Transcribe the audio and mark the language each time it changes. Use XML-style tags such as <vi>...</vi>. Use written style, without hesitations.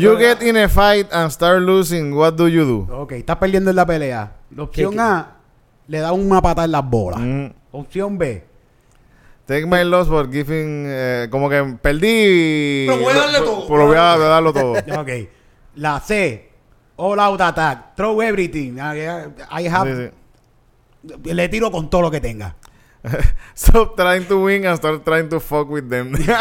<en>You get in a fight and start losing. What do you do?</en> <es>Ok, estás perdiendo en la pelea. Opción A, le da una patada en las bolas. Opción B,</es> <en>take my loss for giving.</en> <es>Como que perdí. Pero voy a darlo todo.</es> <en>Ok.</en> <es>La C,</es> <en>all out attack. Throw everything. I have. Sí.</en> <es>Le tiro con todo lo que tenga.</es> <en>Stop trying to win and start trying to fuck with them.</en>